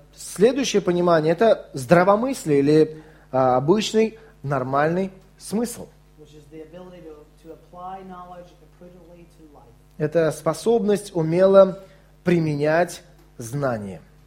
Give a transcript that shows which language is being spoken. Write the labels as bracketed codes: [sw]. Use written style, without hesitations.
[ru] Следующее понимание – это здравомыслие или обычный нормальный смысл. [en] Which is the ability to apply knowledge appropriately to life. [ru] Это способность умело применять знания.